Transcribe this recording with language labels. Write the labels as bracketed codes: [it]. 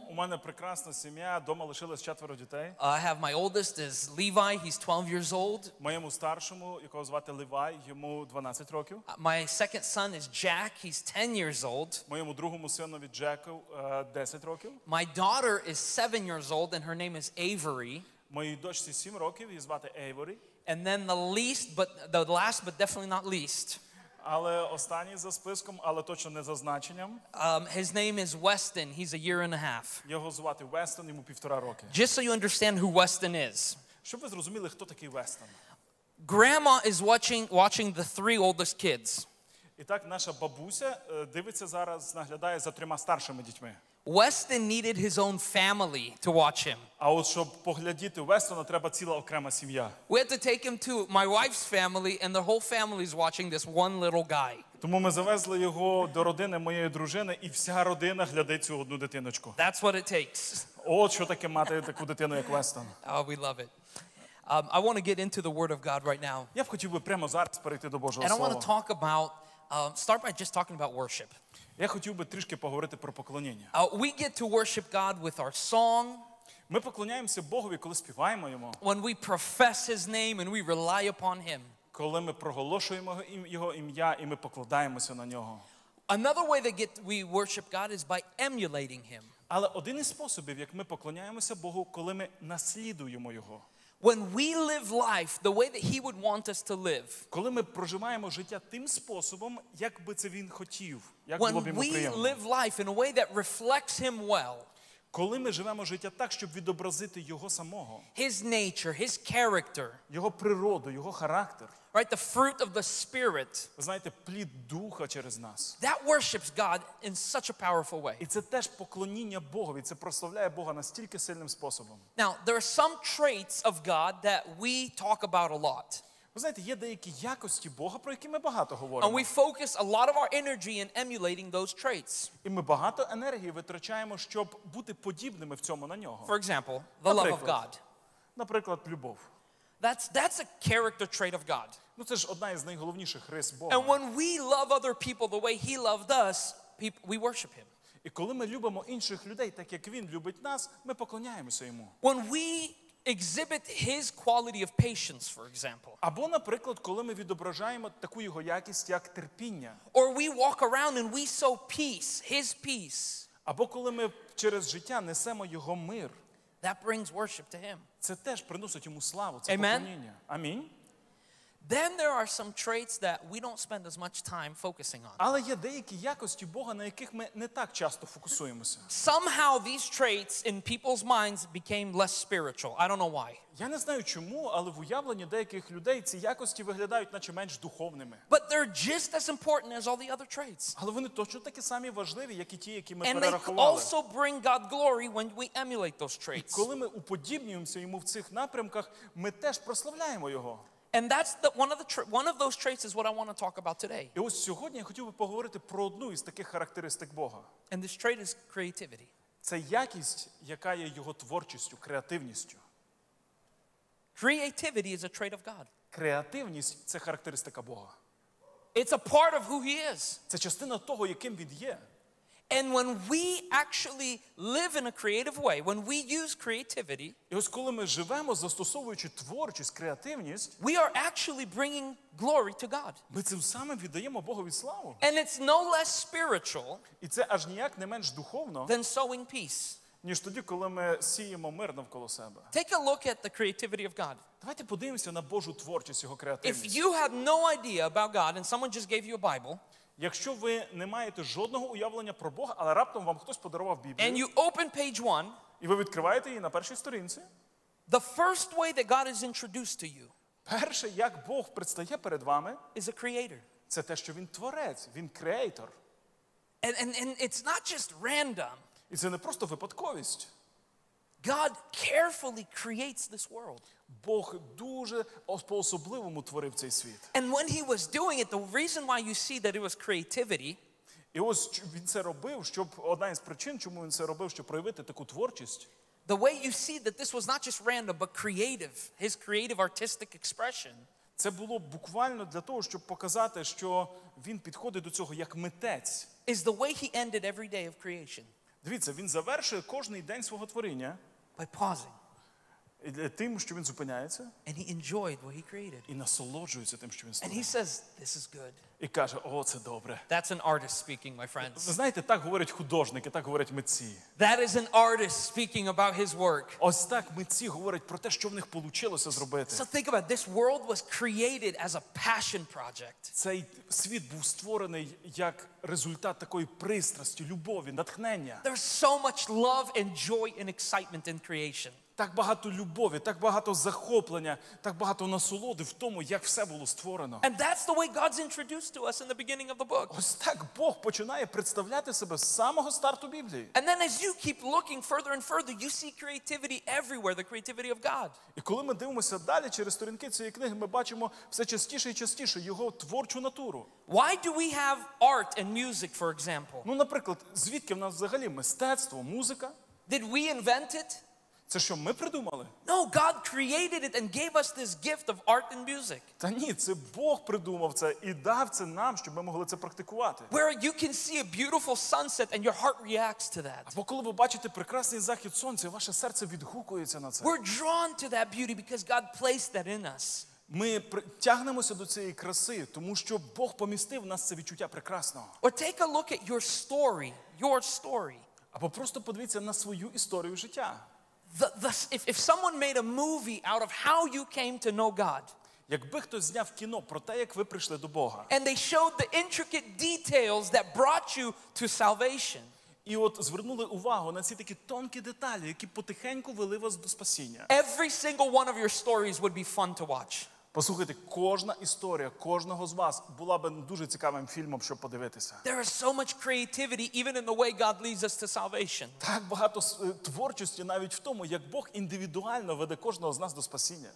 [uk] У мене прекрасна сім'я, вдома лишилось 4 дітей. [en] I have my oldest is Levi, he's 12 years old. [uk] Моєму старшому, якого звати Левай, йому 12 років. [en] My second son is Jack, he's 10 years old. [uk] Моєму другому синові Джеку 10 років. [en] My daughter is 7 years old and her name is Avery. [uk] Моїй дочці 7 років, її звати Avery. [en] And then the last but definitely not least. [uk] Але останній за списком, але точно не за значенням. [en] His name is Weston. He's a year and a half. [uk] Його звати Weston, йому півтора роки. [en] Just so you understand who Weston is. [uk] Щоб ви зрозуміли, хто такий Weston. [en] Grandma is watching the 3 oldest kids. [uk] І так наша бабуся дивиться зараз, наглядає за 3 старшими дітьми. [en] Weston needed his own family to watch him. [uk] А от щоб поглядіти Вестона, треба ціла окрема сім'я. [en] We had to take him to my wife's family and the whole family is watching this one little guy. [uk] Тому ми завезли його до родини моєї дружини і вся родина глядить цю одну дитиночку. [en] That's what it takes. [uk] От що таке мати таку дитину як Вестон. [en] Oh, we love it. I want to get into the word of God right now. [uk] Я хотів би прямо зараз перейти до Божого слова. [en] And I want to talk about start by just talking about worship. [uk] Я хотів би трішки поговорити про поклонення. [en] We get to worship God with our song. [uk] Ми поклоняємося Богові, коли співаємо йому. [en] When we profess his name and we rely upon him. [uk] Коли ми проголошуємо його ім'я і ми покладаємося на нього. [en] Another way that we worship God is by emulating him. [uk] Але один із способів, як ми поклоняємося Богу, коли ми наслідуємо його. [en] When we live life the way that he would want us to live. [uk] Коли ми проживаємо життя тим способом, як би це він хотів, як було б йому приємно. [en] When we live life in a way that reflects him well. [uk] Коли ми живемо життя так, щоб відобразити його самого. [en] His nature, his character. [uk] Його природу, його характер. [en] Right, the fruit of the spirit. [uk] Ви знаєте, плід духа через нас. [en] That worships God in such a powerful way. [uk] І це теж поклоніння Богові, це прославляє Бога настільки сильним способом. [en] Now, there are some traits of God that we talk about a lot. [uk] Ви знаєте, є деякі якості Бога, про які ми багато говоримо. [en] And we focus a lot of our energy in emulating those traits. [uk] І ми багато енергії витрачаємо, щоб бути подібними в цьому на нього. [en] For example, the love of God. [uk] Наприклад, любов. [en] That's a character trait of God. [uk] Ну, це ж одна із найголовніших рис Бога. [en] And when we love other people the way he loved us, we worship him. [uk] І коли ми любимо інших людей так, як він любить нас, ми поклоняємося йому. [en] When we exhibit his quality of patience, for example. [uk] Або, наприклад, коли ми відображаємо таку його якість, як терпіння. [en] Or we walk around and we sow peace, his peace. [uk] Або коли ми через життя несемо його мир. [en] That brings worship to him. [uk] Це теж приносить йому славу, це поклоніння. Амінь. [en] Then there are some traits that we don't spend as much time focusing on. [uk] Але є деякі якості Бога, на яких ми не так часто фокусуємося. [en] Somehow these traits in people's minds became less spiritual. I don't know why. [uk] Я не знаю чому, але в уявленні деяких людей ці якості виглядають наче менш духовними. [en] But they're just as important as all the other traits. [uk] Але вони точно такі самі важливі, як і ті, які ми перерахували. [en] And they also bring God glory when we emulate those traits. [uk] І коли ми уподібнюємося йому в цих напрямках, ми теж прославляємо його. [en] And that's the one of those traits is what I want to talk about today. [uk] І ось сьогодні я хотів би поговорити про одну із таких характеристик Бога. [en] And this trait is creativity. [uk] Це якість, яка є його творчістю, креативністю. [en] Creativity is a trait of God. [uk] Креативність це характеристика Бога. [en] It's a part of who he is. [uk] Це частина того, яким він є. [en] And when we actually live in a creative way, when we use creativity, [uk] і ось коли ми живемо, застосовуючи творчість, креативність, [en] we are actually bringing glory to God. [uk] Ми цим самим віддаємо Богові славу. [en] And it's no less spiritual, [uk] і це аж ніяк не менш духовно, [en] than sowing peace. [uk] Ніж тоді, коли ми сіємо мир навколо себе. [en] Take a look at the creativity of God. [uk] Давайте подивимося на Божу творчість, його креативність. [en] If you have no idea about God and someone just gave you a Bible, [uk] якщо ви не маєте жодного уявлення про Бога, але раптом вам хтось подарував Біблію, [en] and you open page one, [uk] і ви відкриваєте її на першій сторінці, [en] the first way that God is introduced to you, [uk] перше, як Бог предстає перед вами, [en] is a creator. [uk] Це те, що він творець, він креатор. [en] And it's not just random. [uk] І це не просто випадковість. [en] God carefully creates this world. [uk] Бог дуже по-особливому творив цей світ. [en] And when he was doing it, the reason why you see that it was creativity, [uk] і ось він це робив, щоб одна із причин, чому він це робив, щоб проявити таку творчість. [en] The way you see that this was not just random, but creative, his creative artistic expression. [uk] Це було буквально для того, щоб показати, що він підходить до цього як митець. [en] Is the way he ended every day of creation. [uk] Дивіться, він завершує кожний день свого творіння [en] by pausing. [uk] Тим, що він зупиняється. [en] And he enjoyed what he created. [uk] І насолоджується тим, що він створив. [en] And he says, this is good. [uk] І каже, о, це добре. [en] That's an artist speaking, my friends. [uk] Знаєте, так говорять художники, так говорять митці. [en] That is an artist speaking about his work. [uk] Ось так митці говорять про те, що в них получилося зробити. [en] So think about it. This world was created as a passion project. [uk] Цей світ був створений як результат такої пристрасті, любові, натхнення. [en] There's so much love and joy and excitement in creation. [uk] Так багато любові, так багато захоплення, так багато насолоди в тому, як все було створено. [en] And that's the way God's introduced to us in the beginning of the book. [uk] Ось так Бог починає представляти себе з самого старту Біблії. [en] And then as you keep looking further and further, you see creativity everywhere, the creativity of God. [uk] І коли ми дивимося далі через сторінки цієї книги, ми бачимо все частіше і частіше його творчу натуру. [en] Why do we have art and music, for example? [uk] Ну, наприклад, звідки в нас взагалі мистецтво, музика? [en] Did we invent it? [uk] Це що ми придумали? [en] No, God created it and gave us this gift of art and music. [uk] Та ні, це Бог придумав це і дав це нам, щоб ми могли це практикувати. [en] Where you can see a beautiful sunset and your heart reacts to that. [uk] Або коли ви бачите прекрасний захід сонця, ваше серце відгукується на це. [en] We're drawn to that beauty because God placed that in us. [uk] Ми притягнемося до цієї краси, тому що Бог помістив в нас це відчуття прекрасного. [en] Or take a look at your story, your story. [uk] Або просто подивіться на свою історію життя. [en] If someone made a movie out of how you came to know God, [uk] якби хтось зняв кіно про те, як ви прийшли до Бога, [en] and they showed the intricate details that brought you to salvation, [uk] і от звернули увагу на ці такі тонкі деталі, які потихеньку вели вас до спасіння, [en] every single one of your stories would be fun to watch. [uk] Послухайте, кожна історія кожного з вас була б дуже цікавим фільмом, щоб подивитися. [en] There is so much creativity even in the way God leads us to salvation. [uk] Так багато творчості навіть в тому, як Бог індивідуально веде кожного з нас до спасіння.